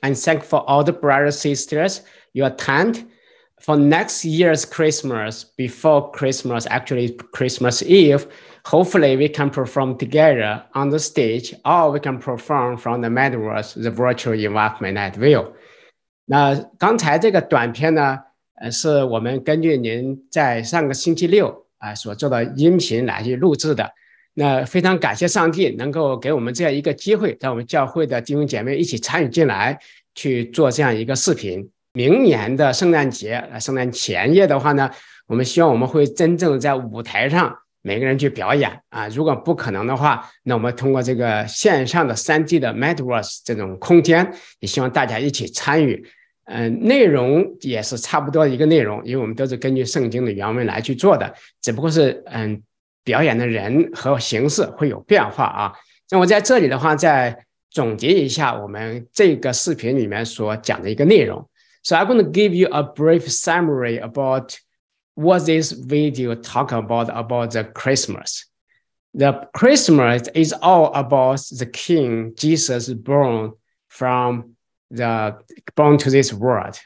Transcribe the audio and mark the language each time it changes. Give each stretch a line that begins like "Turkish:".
English: And thank for all the brothers and sisters, your attend for next year's Christmas, before Christmas, actually Christmas Eve. Hopefully we can perform together on the stage, or we can perform from the Metaverse, the virtual environment at will.
Chinese: 那刚才这个短片呢，是我们根据您在上个星期六啊所做的音频来去录制的。那非常感谢上帝能够给我们这样一个机会，让我们教会的弟兄姐妹一起参与进来去做这样一个视频。明年的圣诞节，圣诞前夜的话呢，我们希望我们会真正在舞台上每个人去表演啊。如果不可能的话，那我们通过这个线上的 3D 的 Metaverse 这种空间，也希望大家一起参与。内容也是差不多一个内容，因为我们都是根据圣经的原文来去做的，只不过是表演的人和形式会有变化啊。那我在这里的话再总结一下我们这个视频里面所讲的一个内容。
English: So I'm going to give you a brief summary about what this video talk about the Christmas. The Christmas is all about the King Jesus born to this world.